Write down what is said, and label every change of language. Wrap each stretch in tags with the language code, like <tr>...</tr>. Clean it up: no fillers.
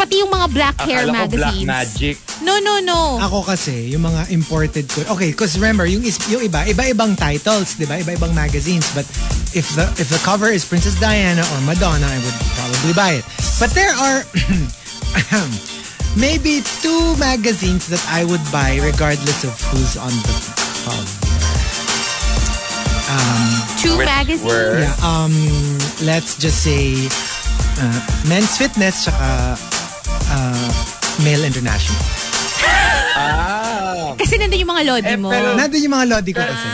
<tl>Pati yung mga</tl> <en>black hair</en> <tl>akala</tl> <en>magazines. Black magic. No.</en> <tl>Ako kasi, yung mga imported ko.</tl> <en>Okay, because remember,</en> <tl>yung iba, iba-ibang titles, di ba? Iba-ibang magazines.</tl> <en>But if the cover is Princess Diana or Madonna, I would probably buy it. But there are maybe 2 magazines that I would buy regardless of who's on the cover. Two magazines? Yeah, let's just say Men's Fitness tsaka Male International.</en> <tl>Kasi nandun yung mga lodi mo. Nandun yung mga lodi ko kasi.</tl>